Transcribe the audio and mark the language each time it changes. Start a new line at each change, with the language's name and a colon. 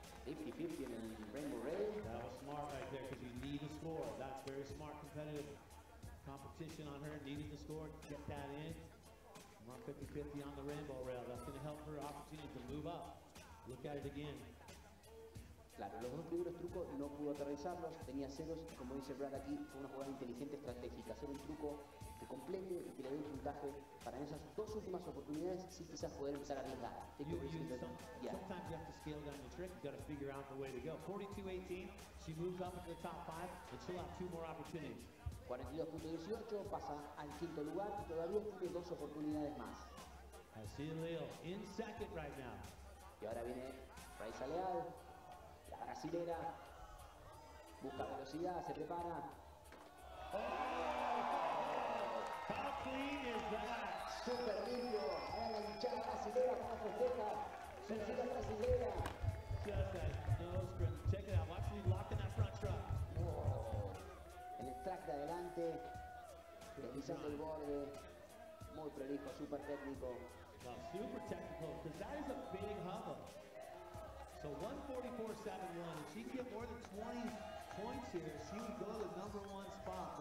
English: 50-50 in the rainbow ray. That was smart right there because you need a score. That's very smart competitive competition on her, needing the score. Get that in. Mark 50-50 on the rainbow rail. That's going to help her opportunity to move up. Look at it again.
Spanish: Claro, los dos primeros trucos no pudo aterrizarlos, tenía ceros, y como dice Brad aquí, fue una jugada inteligente, estratégica, hacer un truco que complete y que le dé un puntaje para esas dos últimas oportunidades, sí, quizás poder empezar a arriesgar.
English: Sometimes you have to scale down the trick, you got to figure out the way to go. 42-18, she moves up into the top five, and she'll have two more opportunities.
Spanish: 42.18, pasa al quinto lugar, y todavía tiene dos oportunidades más.
English: I see Leo in second right now.
Spanish: Y ahora viene Raisa Leal. Brasilera, busca velocidad, se prepara.
English: Oh, how clean is that?
Spanish: Super limpio, la hinchada brasilera con la festeja. Sencilla brasilera.
English: Just that nose grip. Check it out, watch me locking that front truck.
Spanish: Oh, en el track de adelante, deslizando el borde. Muy prolijo, super técnico.
English: Well, super technical, because that is a big hubba. So 144.71, if she can get more than 20 points here, she would go to the number one spot.